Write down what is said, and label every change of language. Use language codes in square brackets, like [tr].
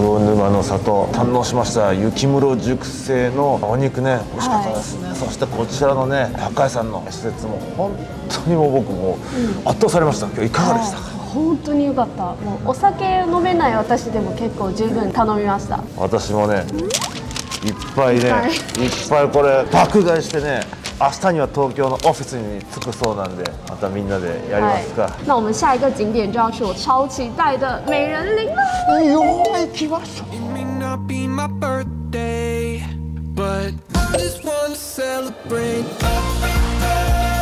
[ja] 魚沼の里堪能しました。YUKIMURO熟成のお肉ね、美味しかったです、はい、そしてこちらのね、八海山の施設も本当にもう僕も圧倒されました、うん、今日いかがでしたか、はい、本当に良かった。もうお酒飲めない私でも結構十分頼みました。私もね、いっぱいね、はい、いっぱいこれ爆買いしてね、明日には東京のオフィスに着くそうなんで、またみんなでやりますか。 [zh] 那我们下一个景点就要去我超期待的美人林了。 [ja] よー、行きましょう。 [en] It may not be my birthday, but I just want to celebrate.